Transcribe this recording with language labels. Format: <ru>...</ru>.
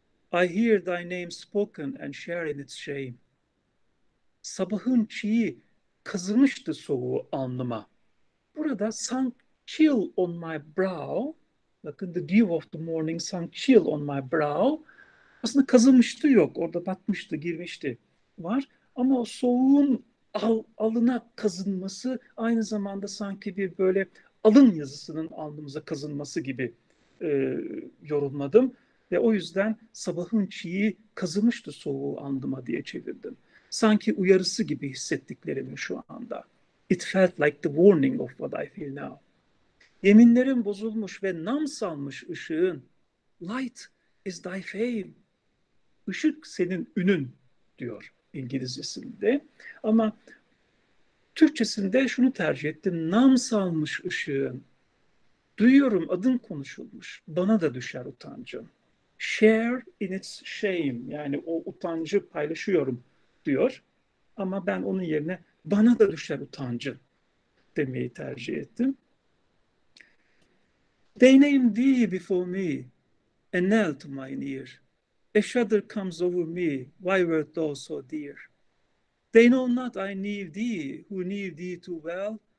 <en>I hear thy name spoken and share in its shame.</en> <tr>Sabahın çiği kazımıştı soğuğu alnıma. Burada</tr> <en>sunk chill on my brow.</en> <tr>Bakın</tr> <en>the dew of the morning sunk chill on my brow.</en> <tr>Aslında kazımıştı yok. Orada batmıştı, girmişti var. Ama o soğuğun alına kazınması aynı zamanda sanki bir böyle alın yazısının alnımıza kazınması gibi yorumladım. Ve o yüzden sabahın çiği kazımıştı soğuğu alnıma diye çevirdim. Sanki uyarısı gibi hissettiklerimi şu anda.</tr> <en>It felt like the warning of what I feel now.</en> <tr>Yeminlerim bozulmuş ve nam salmış ışığın.</tr> <en>Light is thy fame.</en> <tr>Işık senin ünün diyor İngilizcesinde. Ama Türkçesinde şunu tercih ettim. Nam salmış ışığın. Duyuyorum adın konuşulmuş. Bana da düşer utancın.</tr> <en>Share in its shame.</en> <tr>Yani o utancı paylaşıyorum diyor. Ama ben onun yerine bana da düşer utancın demeyi tercih ettim.</tr> <en>They name thee before me, and knell to mine ear. A shudder comes over me, why wert thou so dear? They know not I knew thee, who knew thee too well.</en>